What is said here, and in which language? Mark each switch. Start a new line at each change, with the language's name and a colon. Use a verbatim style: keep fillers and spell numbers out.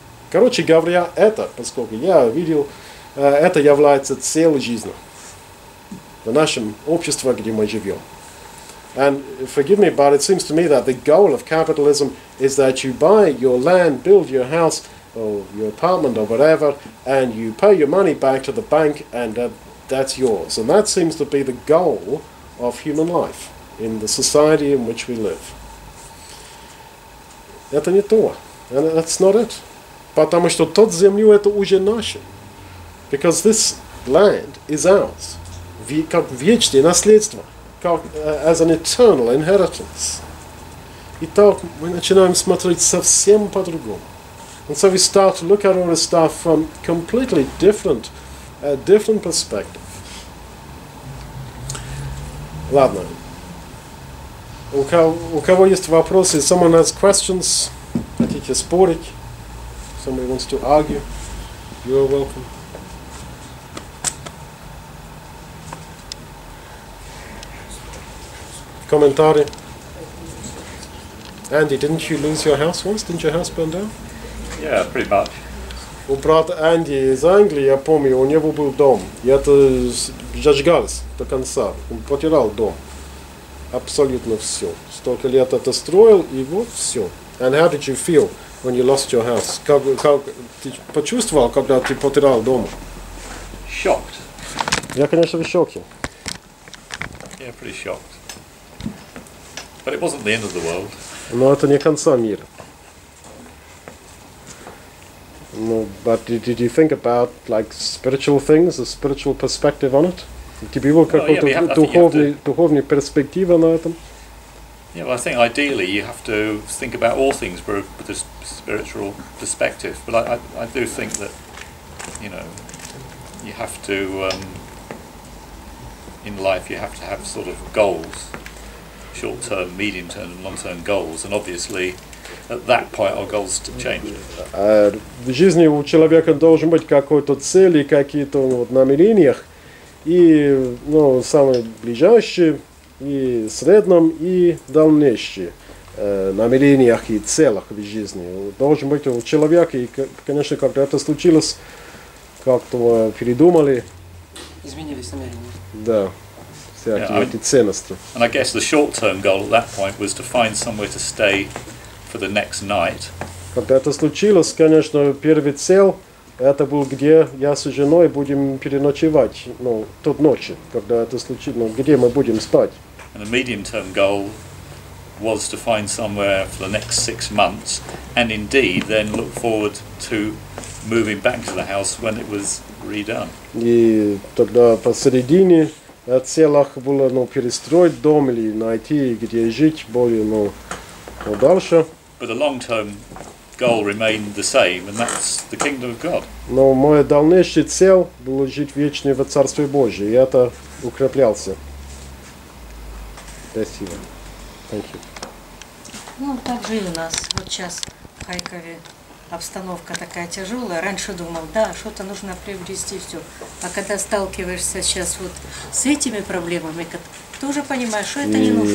Russian: Короче говоря, это, поскольку я видел, это является целой жизнью в нашем обществе, где мы живем.
English: And forgive me, but it seems to me that the goal of capitalism is that you buy your land, build your house, or your apartment, or whatever, and you pay your money back to the bank, and that, that's yours. And that seems to be the goal of human life in the society in which we live.
Russian: Это не то.
English: And that's not it.
Russian: Потому что тот землю это уже наше.
English: Because this land is ours.
Russian: Как вечное наследство.
English: As an eternal inheritance.
Russian: Итак, мы начинаем смотреть совсем по-другому.
English: And so we start to look at all this stuff from completely different, a different perspective.
Russian: Ладно. У кого, у кого есть вопросы?
English: Someone has questions?
Russian: Хотите спорить?
English: Somebody wants to argue? You're welcome. Commentary. Andy, didn't you lose your house once? Didn't your house burn down? Yeah, pretty much.
Russian: У брата Анди из Англии, я помню, у него был дом. И это зажигалось до конца. Он потерял дом. Абсолютно все. Столько лет это строил, и вот все.
English: And how did you feel when you lost your house?
Russian: Как, как ты почувствовал, когда ты потерял дом?
English: Shocked.
Russian: Я, конечно, в шоке.
English: Yeah, pretty shocked. But it wasn't the end of the world.
Russian: Но это не конца мира.
English: No, but did, did you think about like spiritual things, a spiritual perspective on it? Did you look at the
Russian: духовный духовный перспектива на этом?
English: Yeah, well, I think ideally you have to think about all things with a spiritual perspective. But I, I, I do think that, you know, you have to um, in life you have to have sort of goals. Short-term, medium-term and long-term goals, and obviously at that point our goals changed.
Russian: В жизни у человека должен быть какой-то цель и какие-то вот намерения, и, ну, самые ближайшие, и среднем, и дальнейшие э, намерения и целях в жизни. Должен быть у человека, и, конечно, когда это случилось, как-то передумали. Изменились намерения. Да.
English: Yeah, I mean, and I guess the short-term goal at that point was to find somewhere to stay for the next night.
Russian: Когда это случилось, конечно, первый цель это был, где я с женой будем переночевать, ну, тот ночи, когда это случилось, где мы будем спать.
English: And the medium-term goal was to find somewhere for the next six months, and indeed then look forward to moving back to the house when it was redone.
Russian: И тогда посередине о целях было, ну, перестроить дом или найти, где жить более, ну, дальше.
English: But the long-term goal remained the same, and that's the kingdom of God.
Russian: Но моя дальнейшая цель была жить вечно во Царстве Божьем, и это укреплялся. Спасибо.
English: Thank you.
Russian: Ну, так жили у нас вот сейчас в Харькове обстановка такая тяжелая. Раньше думал, да, что-то нужно приобрести, все. А когда сталкиваешься сейчас вот с этими проблемами, ты уже понимаешь, что это не нужно.